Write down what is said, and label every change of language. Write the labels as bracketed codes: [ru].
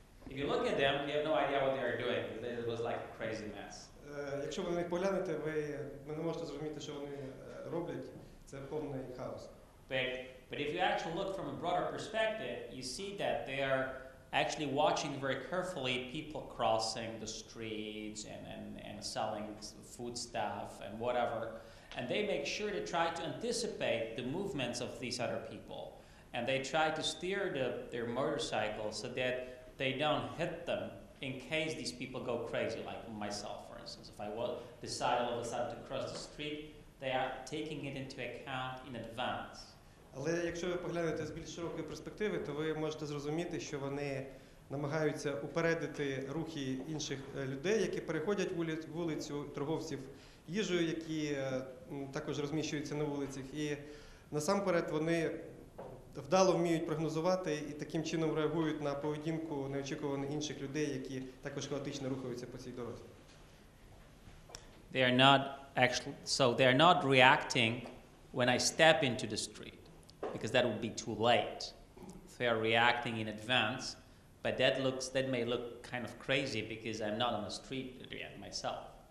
[en] If you look at them, you have no idea what they are doing. It was like a crazy mess. [uk] Якщо ви на них поглянете, ви не можете зрозуміти, що вони роблять. Це повний хаос. [en] But if you actually look from a broader perspective, you see that they are actually watching very carefully people crossing the streets and selling foodstuff and whatever. And they make sure to try to anticipate the movements of these other people. And they try to steer their motorcycle so that they don't hit them in case these people go crazy, like myself, for instance. If I decide all of a sudden to cross the street, they are taking it into account in advance. [uk] Але якщо ви поглянете з більш широкої перспективи, то ви можете зрозуміти, що вони намагаються упередити рухи інших людей, які переходять вулицю, торговців їжею, які також розміщуються на вулицях. І насамперед вони вдало вміють прогнозувати і таким чином реагують на поведінку неочікуваних інших людей, які також хаотично рухаються по цій дорозі. [en] They are not actually, so they are not reacting when I step into the street, because that would be too late. They are reacting in advance, but that may look kind of crazy because I'm not on the street yet myself.